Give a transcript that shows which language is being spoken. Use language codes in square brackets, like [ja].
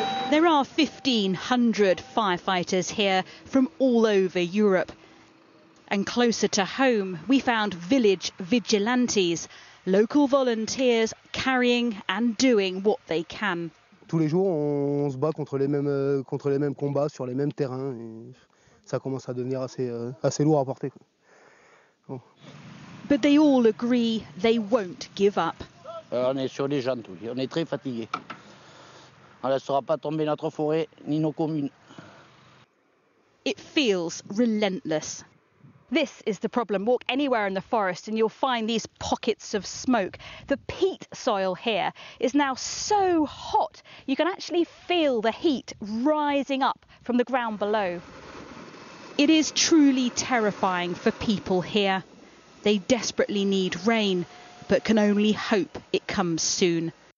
[en] There are 1,500 firefighters here from all over Europe. And closer to home, we found village vigilantes, local volunteers carrying and doing what they can. [fr] Tous les jours, on se bat contre les mêmes combats sur les mêmes terrains. Ça commence à devenir assez lourd à porter. [en] But they all agree they won't give up. [fr] On est sur les jambes, tous. On est très fatigués. On ne laissera pas tomber notre forêt ni nos communes. [en] It feels relentless. This is the problem. Walk anywhere in the forest and you'll find these pockets of smoke. The peat soil here is now so hot, you can actually feel the heat rising up from the ground below. It is truly terrifying for people here. They desperately need rain, but can only hope it comes soon.